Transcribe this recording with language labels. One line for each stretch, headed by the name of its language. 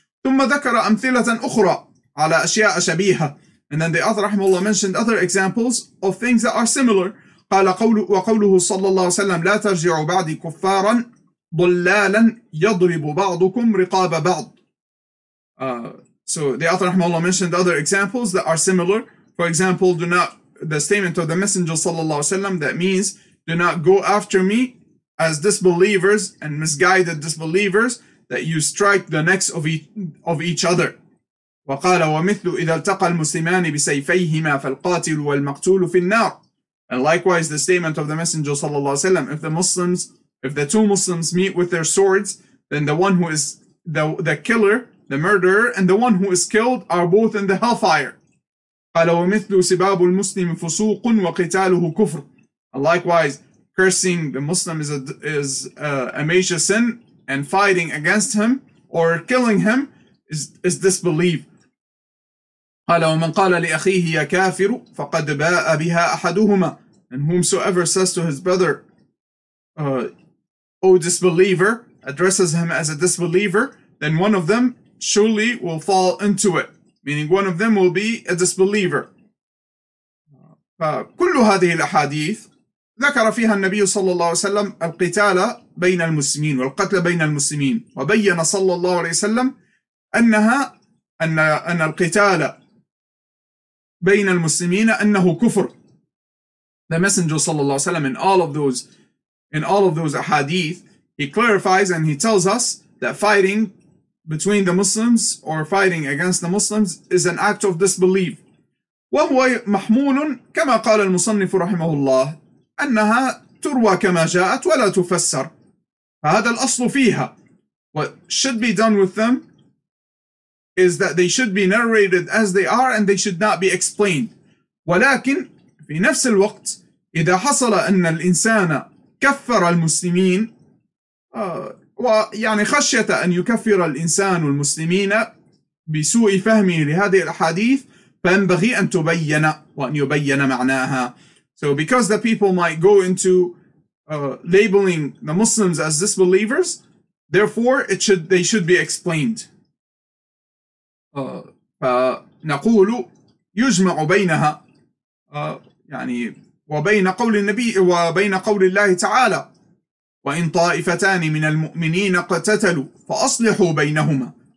Arabic: ثم ذكر أمثلة أخرى على أشياء شبيهة.
English: And then the author
Arabic: رحمه الله
English: mentioned other examples of things that are similar.
Arabic: قال وقوله صلى الله عليه وسلم لا ترجعوا بعدي كفارا ضلالا يضرب بعضكم رقاب بعض.
English: So the author
Arabic: رحمه الله
English: mentioned other examples that are similar. For example, do not the statement of the messenger
Arabic: صلى الله عليه وسلم
English: that means do not go after me as disbelievers and misguided disbelievers that you strike the necks of each other.
Arabic: وقال ومثل إذا التقى المسلمان بسيفيهما فالقاتل والمقتول في النار.
English: And likewise the statement of the messenger
Arabic: صلى الله عليه وسلم
English: if the two Muslims meet with their swords then the one who is the killer, the murderer, and the one who is killed are both in the hellfire.
Arabic: قال ومثل سباب المسلم فسوق وقتاله كفر.
English: Likewise, cursing the Muslim is a major sin, and fighting against him or killing him is disbelief.
Arabic: قال ومن قال لأخيه يا كافر فقد باء بها أحدهما.
English: And whomsoever says to his brother, O disbeliever, addresses him as a disbeliever, then one of them surely will fall into it. Meaning one of them will be a disbeliever.
Arabic: فكل هذه الأحاديث ذكر فيها النبي صلى الله عليه وسلم القتال بين المسلمين والقتل بين المسلمين وبين صلى الله عليه وسلم أن القتال بين المسلمين أنه كفر.
English: The Messenger
Arabic: صلى الله عليه وسلم
English: in all of those ahadith, he clarifies and he tells us that fighting between the Muslims or fighting against the Muslims is an act of disbelief.
Arabic: وهو محمول كما قال المصنف رحمه الله أنها تروى كما جاءت ولا تفسر. فهذا الأصل فيها.
English: What should be done with them is that they should be narrated as they are and they should not be explained.
Arabic: ولكن في نفس الوقت إذا حصل أن الإنسان كفر المسلمين ويعني خشية أن يكفر الإنسان المسلمين بسوء فهمه لهذه الحديث فينبغي أن تبين وأن يبين معناها.
English: So because the people might go into labeling the Muslims as disbelievers, therefore they should be explained.
Arabic: فنقول يجمع بينها يعني وبين قول الله تعالى وإن طائفتان من المؤمنين اقتتلوا فأصلحوا بينهما.